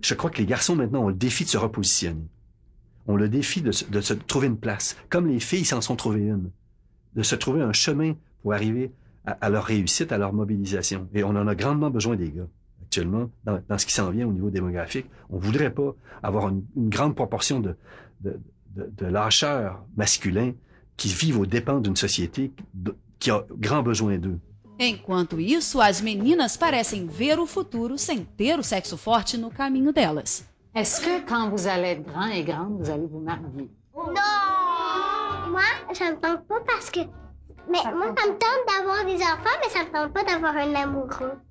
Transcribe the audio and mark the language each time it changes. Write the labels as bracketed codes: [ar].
[fr] Je crois que les garçons maintenant ont le défi de se repositionner. On le défi de se trouver une place, comme les filles s'en sont trouvées une, de se trouver un chemin pour arriver à leur réussite, à leur mobilisation. Et on en a grandement besoin des gars. Actuellement, dans ce qui s'en vient au niveau démographique, on voudrait pas avoir une grande proportion de lâcheurs masculins qui vivent aux dépens d'une société qui a grand besoin d'eux. [pt] Enquanto isso, as meninas parecem ver o futuro sem ter o sexo forte no caminho delas. [fr] Est-ce que quand vous allez être grand et grande, vous allez vous marier? Non! Moi, je ne pense pas parce que... Mais ça moi, ça me tente d'avoir des enfants, mais ça me tente pas d'avoir un amoureux.